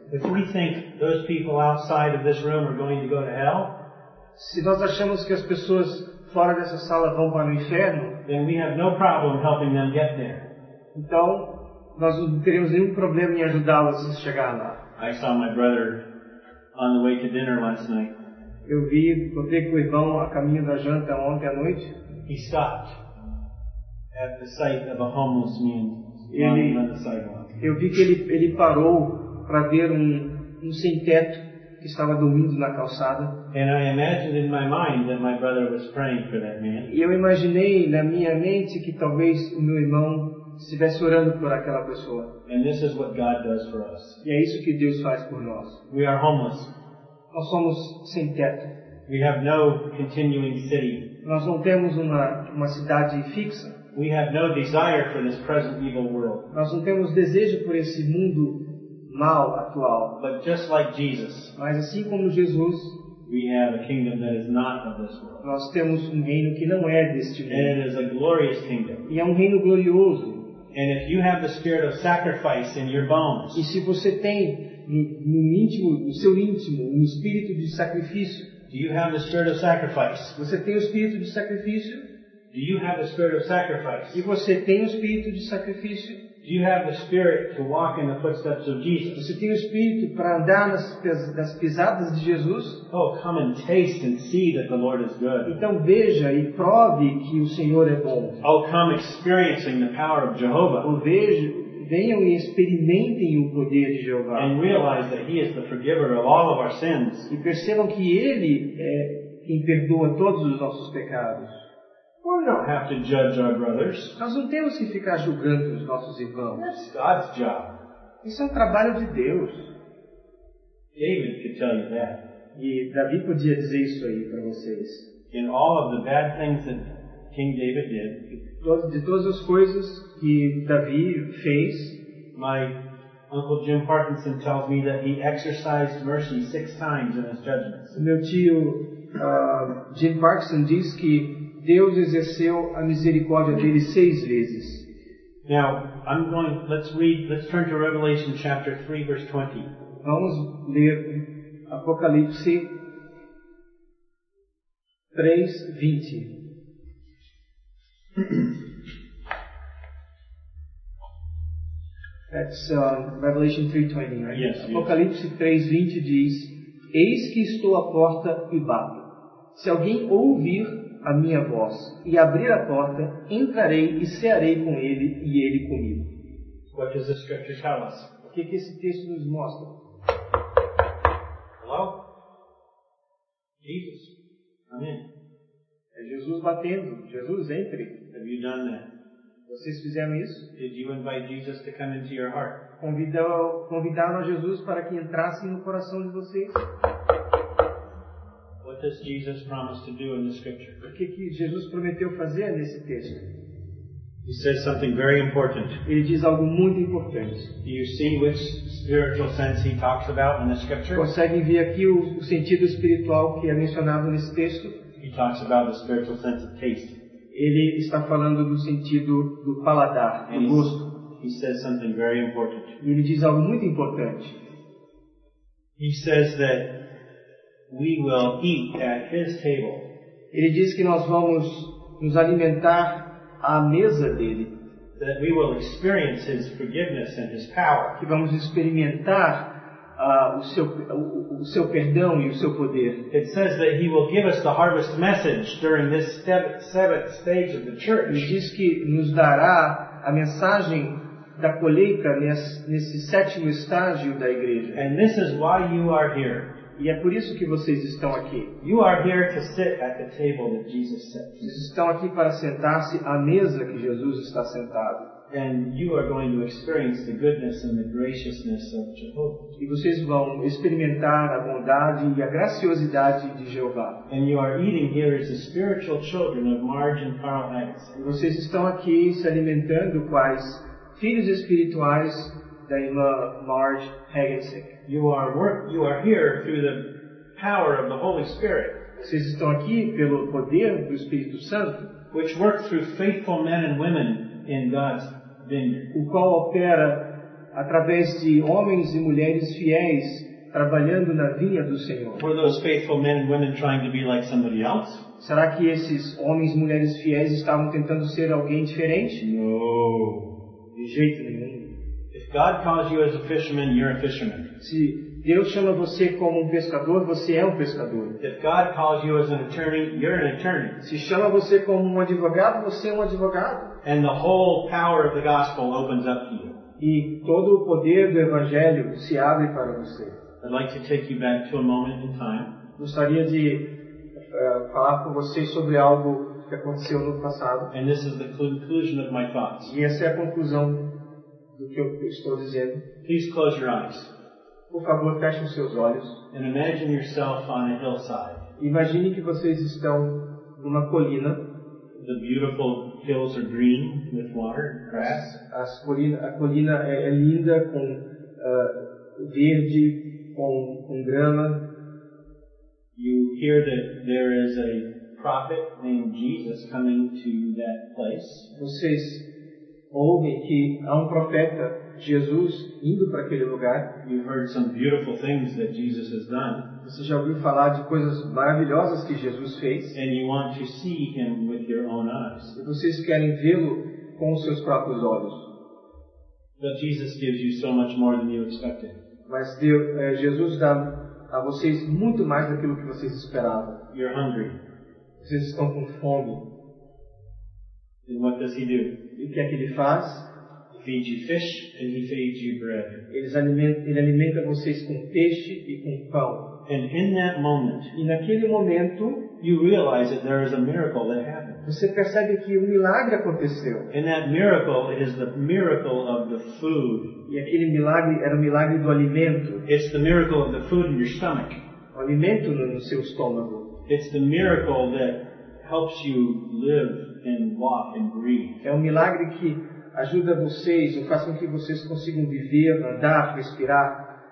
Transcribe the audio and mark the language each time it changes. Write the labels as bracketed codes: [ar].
[en] If we think those people outside of this room are going to go to hell, [pt] se nós achamos que as pessoas fora dessa sala vão para o inferno, [en] then we have no problem helping them get there. [pt] Então, nós não teremos nenhum problema em ajudá-los a chegar lá. [en] I saw my brother on the way to dinner last night. [pt] Eu vi, encontrei com o irmão a caminho da janta ontem à noite. [en] He stopped at the sight of a homeless man lying on the sidewalk. [pt] Eu vi que ele parou para ver um sem teto que estava dormindo na calçada. [en] And I imagined in my mind that my brother was praying for that man. [pt] E eu imaginei na minha mente que talvez o meu irmão estivesse orando por aquela pessoa. [en] And this is what God does for us. [pt] E é isso que Deus faz por nós. [en] We are homeless. [pt] Nós somos sem teto. [en] We have no continuing city. [pt] Nós não temos uma cidade fixa. [en] We have no desire for this present evil world. [pt] Nós não temos desejo por esse mundo mal atual. [en] But just like Jesus, [pt] mas assim como Jesus, [en] we have a kingdom that is not of this world. [pt] Nós temos reino que não é deste mundo. [en] And it is a glorious kingdom. [pt] E é reino glorioso. [en] And if you have the spirit of sacrifice in your bones, [pt] e se você tem no seu íntimo, um espírito de sacrifício, [en] do you have the spirit of sacrifice? [pt] Você tem o espírito de sacrifício? [en] Do you have the spirit of sacrifice? [pt] E você tem o espírito de sacrifício? [en] Do you have the spirit to walk in the footsteps of Jesus? [pt] Você tem o espírito para andar nas pisadas de Jesus? [en] Oh, come and taste and see that the Lord is good. [pt] Então veja e prove que o Senhor é bom. [en] Oh, come experiencing the power of Jehovah. [pt] Ou veja, venham e experimentem o poder de Jeová. [en] And realize that He is the forgiver of all of our sins. [pt] E percebam que Ele é quem perdoa todos os nossos pecados. [en] We don't have to judge our brothers. [pt] Nós não temos que ficar julgando os nossos irmãos. [en] That's God's job. [pt] Isso é trabalho de Deus. [en] David could tell you that. [pt] E Davi podia dizer isso aí para vocês. [en] In all of the bad things that King David did, [pt] de todas as coisas que Davi fez, [en] my Uncle Jim Parkinson tells me that he exercised mercy 6 times in his judgments. [pt] Meu tio Jim Parkinson diz que Deus exerceu a misericórdia dele 6 vezes. [en] Now, let's turn to Revelation chapter 3, verse 20. [pt] Vamos ler Apocalipse 3, 20. [en] That's Revelation 3:20, right? Yes. [pt] Apocalipse 3:20 diz: Eis que estou à porta e bato. Se alguém ouvir a minha voz e abrir a porta, entrarei e cearei com ele e ele comigo. [en] What does the scripture tell us? [pt] O que que esse texto nos mostra? [en] Hello? Jesus. Amém. [pt] É Jesus batendo. Jesus, entre. [en] Have you done that? [pt] Vocês fizeram isso? [en] Did you invite Jesus to come into your heart? [pt] Convidaram Jesus para que entrasse no coração de vocês? [en] What does Jesus promise to do in the scripture? [pt] O que que Jesus prometeu fazer nesse texto? [en] He says something very important. [pt] Ele diz algo muito importante. [en] Do you see which spiritual sense he talks about in the scripture? [pt] Conseguem ver aqui o sentido espiritual que é mencionado nesse texto? [en] He talks about the spiritual sense of taste. [pt] Ele está falando do sentido do paladar, do gosto. [en] He says something very important. [pt] Ele diz algo muito importante. [en] He says that we will eat at his table. [pt] Ele diz que nós vamos nos alimentar à mesa dele. [en] That we will experience his forgiveness and his power. [pt] Que vamos experimentar o seu perdão e o seu poder. [en] It says that he will give us the harvest message during this seventh stage of the church. [pt] Ele diz que nos dará a mensagem da colheita nesse sétimo estágio da igreja. [en] And this is why you are here. [pt] E é por isso que vocês estão aqui. [en] You are here to sit at the table that Jesus sits. [pt] Vocês estão aqui para sentar-se à mesa que Jesus está sentado. [en] And you are going to experience the goodness and the graciousness of Jehovah. [pt] E vocês vão experimentar a bondade e a graciosidade de Jeová. [en] And you are eating here as the spiritual children of Marge and Carl Hanks. [pt] E vocês estão aqui se alimentando quais filhos espirituais da irmã Marge Hagensick. [en] You are here through the power of the Holy Spirit. [pt] Vocês estão aqui pelo poder do Espírito Santo, [en] which works through faithful men and women in God's vineyard. [pt] O qual opera através de homens e mulheres fiéis trabalhando na vinha do Senhor. [en] Were those faithful men and women trying to be like somebody else? [pt] Será que esses homens e mulheres fiéis estavam tentando ser alguém diferente? [en] No. [pt] De jeito nenhum. [en] If God calls you as a fisherman, you're a fisherman. [pt] Se Deus chama você como um pescador, você é um pescador. [en] If God calls you as an attorney, you're an attorney. [pt] Se chama você como um advogado, você é um advogado. [en] And the whole power of the gospel opens up to you. [pt] E todo o poder do evangelho se abre para você. [en] I'd like to take you back to a moment in time. [pt] Gostaria de falar com você sobre algo que aconteceu no passado. [en] And this is the conclusion of my thoughts. [pt] E essa é a conclusão do que eu estou dizendo. [en] Please close your eyes. [pt] Por favor, feche os seus olhos. [en] And imagine yourself on a hillside. [pt] Imagine que vocês estão numa colina. [en] The beautiful hills are green with water, grass. [pt] A colina é linda com verde, com grama. [en] You hear that there is a prophet named Jesus coming to that place. [pt] Vocês ouvem que há um profeta Jesus indo para aquele lugar. [en] You've heard some beautiful things that Jesus has done. [pt] Você já ouviu falar de coisas maravilhosas que Jesus fez? [en] And you want to see him with your own eyes. [pt] E vocês querem vê-lo com os seus próprios olhos. [en] But Jesus gives you so much more than you expected. [pt] Mas Deus, Jesus dá a vocês muito mais daquilo que vocês esperavam. [en] You're hungry. [pt] Vocês estão com fome. [en] And what does he do? [pt] E o que é que ele faz? [en] Feed you fish and he feeds you bread. [pt] Ele alimenta vocês com peixe e com pão. [en] And in that moment, [pt] e naquele momento, [en] you realize that there is a miracle that happened. [pt] Você percebe que um milagre aconteceu. [en] And that miracle is the miracle of the food. [pt] E aquele milagre era o milagre do alimento. [en] It's the miracle of the food in your stomach. [pt] O alimento no seu estômago. [en] It's the miracle that helps you live and walk and breathe. [pt] É um milagre que ajuda vocês, ou faz com que vocês consigam viver, andar, respirar.